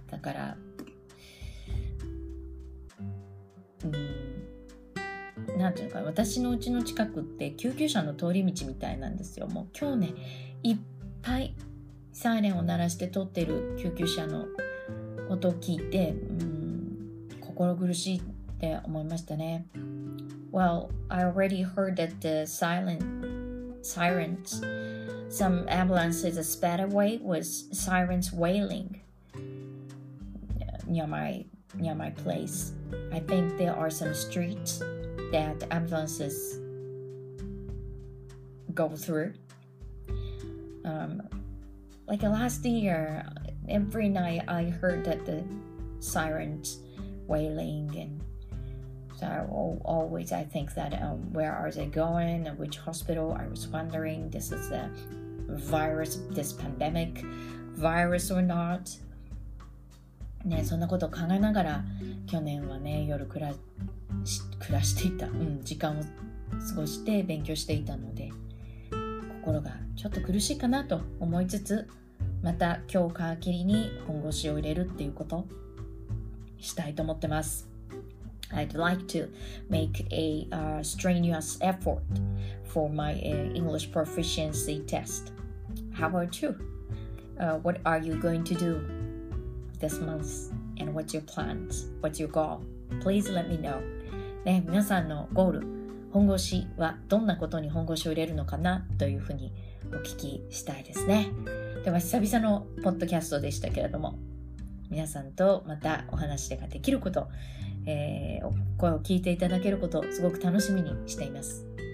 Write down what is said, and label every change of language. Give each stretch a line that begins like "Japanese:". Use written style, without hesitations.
Japanese: だから、なんていうのか、私の家の近くって救急車の通り道みたいなんですよ。もう今日ね、いっぱいサイレンを鳴らして通ってる救急車の音を聞いて、心苦しいって思いましたね。
English: Well, I already heard that the sirens, some ambulances sped away with sirens wailing near my place. I think there are some streets that ambulances go through. Like last year, every night I heard that the sirens wailing, and so always I think that where are they going, which hospital, I was wondering, this is a virus, this pandemic virus or not.
Japanese: ね、そんなことを考えながら去年はね、夜暮らしていた、時間を過ごして勉強していたので、心がちょっと苦しいかなと思いつつ、また今日皮切りに本腰を入れるっていうことしたいと思ってます。
English: I'd like to make a strenuous effort for my English proficiency test. How about you? What are you going to do this month? And what's your plans? What's your goal? Please let me know.
Japanese: ね、皆さんのゴール、本腰はどんなことに本腰を入れるのかなというふうにお聞きしたいですね。では久々のポッドキャストでしたけれども、皆さんとまたお話ができること、声を聞いていただけることをすごく楽しみにしています。